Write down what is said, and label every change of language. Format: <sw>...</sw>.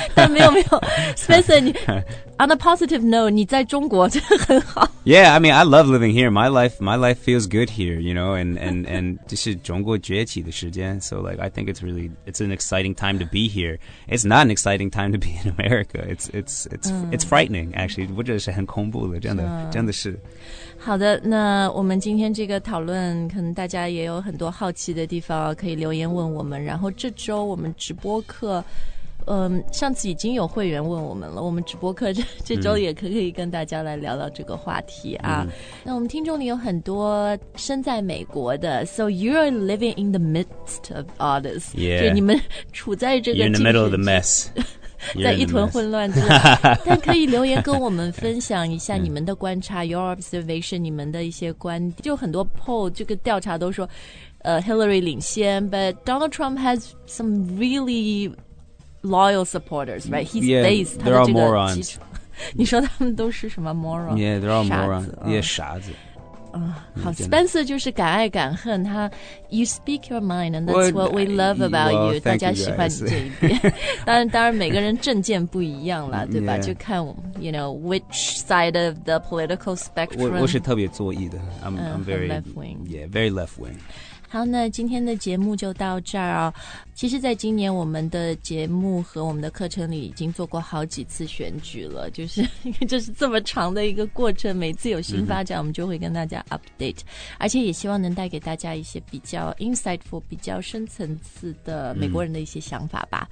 <zh>但没有没有 ，Spencer， 你</zh> <en>on a positive note，</en> <zh>你在中国真的很好。</zh> <en>Yeah, I mean, I love living here. My life feels good here, you know, and</en> <zh>这是中国崛起的时间</zh> <en>so like, I think it's an exciting time to be here. It's not an exciting time to be in America. It's frightening, actually.</en> <zh>或者是很恐怖的真的真的是好的那我们今天这个讨论可能大家也有很多好奇的地方可以留言问我们然后这周我们直播课上次已经有会员问我们了我们直播课 这周也可以跟大家来聊聊这个话题啊。那我们听众里有很多身在美国的</zh> <en>So you are living in the midst of all this Yeah</en> <zh>就你们处在这个</zh> <en>You're in the middle of the mess</en> <zh>在一团混乱之但可以留言跟我们分享一下你们的观察</zh> <en>Your observation</en> <zh>你们的一些观点就很多 poll 这个调查都说Hillary 领先</zh> <en>But Donald Trump has some reallyOoyal supporters, right? He's yeah, based. They're all morons.</en> <zh>你说他们都是什么 moron?</zh> <en>Yeah, they're all morons. Yeah, 傻子。好 ，Spencer</en> <zh>就是敢爱敢恨。他</zh> <en>，You speak your mind, and that's what we love about well,</en> <zh>you. 大家喜欢你这一点。当然，每个人政见不一样了，对吧？</zh> <en>Yeah.</en> <zh>就看</zh> <en>you know which side of the political spectrum.</en> <zh>我是特别左翼的。</zh> <en>I'm very left wing. Yeah, very left wing.</en> <zh>好那今天的节目就到这儿哦其实在今年我们的节目和我们的课程里已经做过好几次选举了就是这是这么长的一个过程每次有新发展我们就会跟大家 update、嗯、而且也希望能带给大家一些比较 insightful 比较深层次的美国人的一些想法吧、</zh>